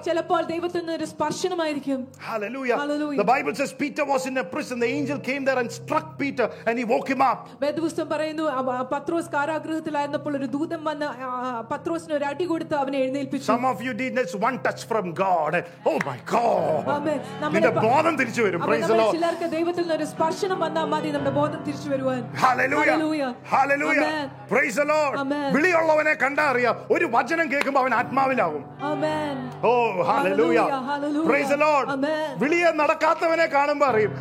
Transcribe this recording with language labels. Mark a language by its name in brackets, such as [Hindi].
[Malayalam] ചിലപ്പോൾ ദൈവത്തിന്റെ ഒരു സ്പർശനമായിരിക്കും. [English] Hallelujah. Hallelujah. The Bible says Peter was in a prison. The angel came there and struck Peter and he woke him up. [Malayalam] വേദപുസ്തകം പറയുന്നു പത്രോസ് കാരാഗ്രഹത്തിലായിരുന്നപ്പോൾ ഒരു ദൂതൻ വന്ന് പത്രോസിന് ഒരു അടി കൊടുത്ത് അവനെ എഴുന്നേൽപ്പിച്ചു. [English] Some of you did this one touch from God. Oh my God. Amen. [Malayalam] നമ്മുടെ ബോധം തിരിച്ചു വരും. [English] Praise the Lord. [Malayalam] ചിലർക്ക് ദൈവത്തിൽ നിന്ന് ഒരു സ്പർശനം വന്നാൽ മതി നമ്മുടെ ബോധം തിരിച്ചു വരുവാൻ. [English] Hallelujah. Hallelujah. Hallelujah. Amen. Praise the Lord. [Malayalam] വിളിയുള്ളവനെ കണ്ടാ അറിയാ ഒരു വചനം കേൾക്കുമ്പോൾ ആത്മാവിലാകും. ആമേൻ. ഓ ഹല്ലേലൂയാ. ഹല്ലേലൂയാ. [English] Praise the Lord. [Malayalam] ആമേൻ. വിളിയ നടക്കാത്തവനെ കാണുമ്പോൾ അറിയും.